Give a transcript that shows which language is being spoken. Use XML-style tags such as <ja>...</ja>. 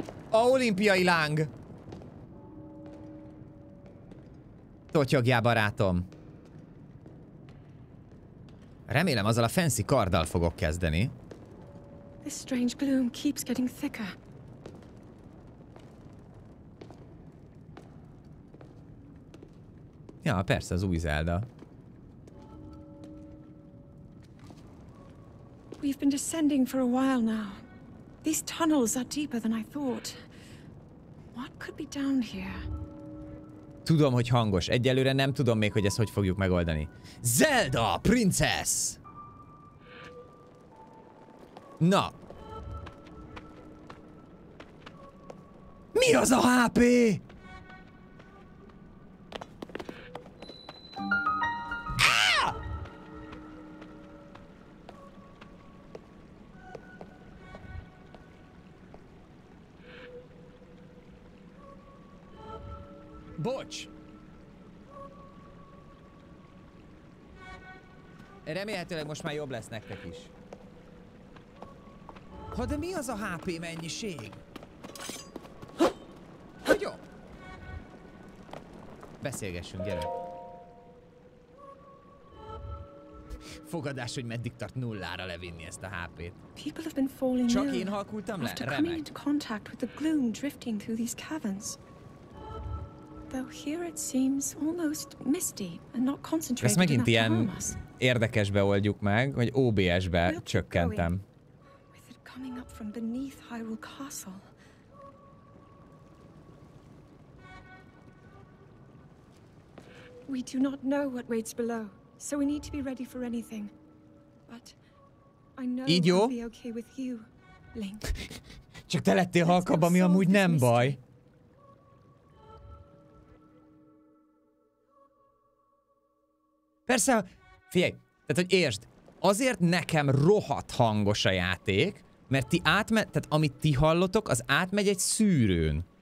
<hu>A olimpiai láng! Totyogjá, barátom. Remélem, azzal a fancy karddal fogok kezdeni.</hu> <en>This strange gloom keeps getting thicker.</en> <hu>Ja, persze, az új Zelda.</hu> <en>We've been descending for a while now. These tunnels are deeper than I thought. What could be down here?</en> <hu>Tudom, hogy hangos. Egyelőre nem tudom még, hogy ezt hogy fogjuk megoldani.</hu> <en>Zelda, princess!</en> <hu>Na! Mi az a HP? Bocs! Remélhetőleg most már jobb lesz nektek is. Ha de mi az a HP mennyiség? Hogy jó? Beszélgessünk, gyere. Fogadás, hogy meddig tart nullára levinni ezt a HP-t.</hu> <en>People have been falling</en> <hu>Csak én halkultam le?</hu> <en>After coming into contact with the gloom drifting through these caverns. Though here it seems almost misty and not concentrated.</en> <hu>Ezt megint ilyen érdekesbe oldjuk meg, hogy OBS-be csökkentem.</hu> <en>With it coming up from beneath Hyrule Castle. We do not know what waits below, so we need to be ready for anything. But I know we'll be okay with you, Link.</en> <hu>Csak te lettél halkabb, ami amúgy nem baj. Persze, figyelj, tehát hogy értsd, azért nekem rohadt hangos a játék, mert ti tehát amit ti hallotok, az átmegy egy szűrőn.</hu>